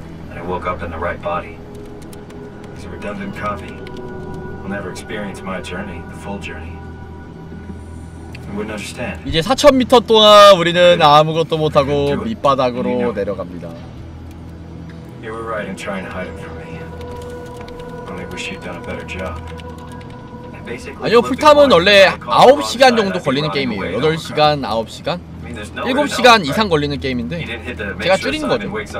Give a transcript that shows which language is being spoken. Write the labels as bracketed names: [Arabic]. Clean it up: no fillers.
[English] and I woke up in the right body. It's a redundant copy. I'll never experience my journey, the full journey. I wouldn't understand. [Korean] 이제 4,000m 동안 우리는 아무것도 못하고 밑바닥으로 내려갑니다. [English] You were right in trying to hide it from me. Only wish you'd done a better job. [Korean] 아니요, 풀타임은 원래 9시간 정도 걸리는 게임이에요. 8시간, 9시간, 7시간 이상 걸리는 게임인데 제가 줄인 거죠.